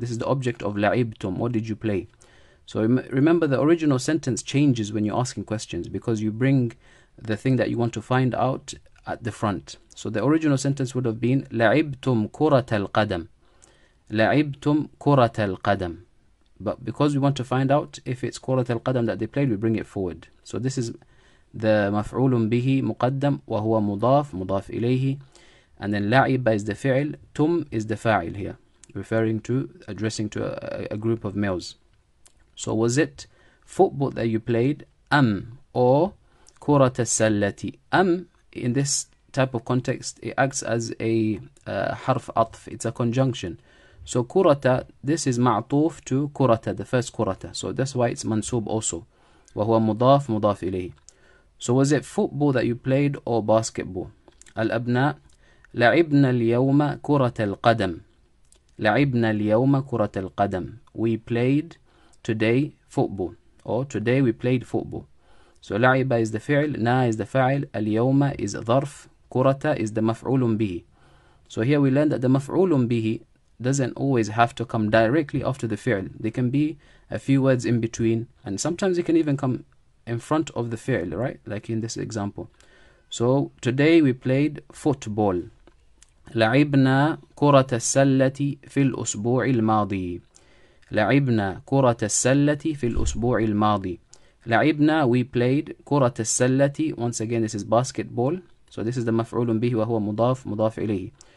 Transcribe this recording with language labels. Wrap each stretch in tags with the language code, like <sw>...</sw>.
<en>This is the object of la'ibtum, what did you play? So remember, the original sentence changes when you're asking questions because you bring the thing that you want to find out at the front.</en> <ar>So the original sentence would have been لعبتم كرة القدم. لعبتم كرة القدم.</ar> <en>But because we want to find out if it's كرة القدم that they played, we bring it forward. So this is the</en> <ar>مفعول به مقدم وهو مضاف مضاف إليه.</ar> <en>And then لعب is the فعل. تم is the فاعل here, referring to addressing to a group of males. So was it football that you played, am, or كرة السلة؟ Am, in this type of context, it acts as a harf atf, it's a conjunction. So كرة, this is معطوف to كرة, the first كرة. So that's why it's mansub also.</en> <ar>وهو مضاف مضاف إليه.</ar> <en>So was it football that you played or basketball?</en> <ar>الأبناء, لعبنا اليوم كرة القدم. لعبنا اليوم كرة القدم.</ar> <en>We played today football, or today we played football. So لعب is the fi'l, na is the fa'il, اليوم is ظرف, كرة is the مفعول به. So here we learn that the مفعول به doesn't always have to come directly after the fi'l. There can be a few words in between, and sometimes it can even come in front of the fi'l, right? Like in this example. So today we played football.</en> <ar>لعبنا كرة السلة في الأسبوع الماضي. لعبنا كرة السلة في الأسبوع الماضي. لعبنا,</ar> <en>we played</en> <ar>كرة السلة.</ar> <en>Once again, this is basketball. So this is the</en> <ar>مفعول به وهو مضاف مضاف إليه.</ar>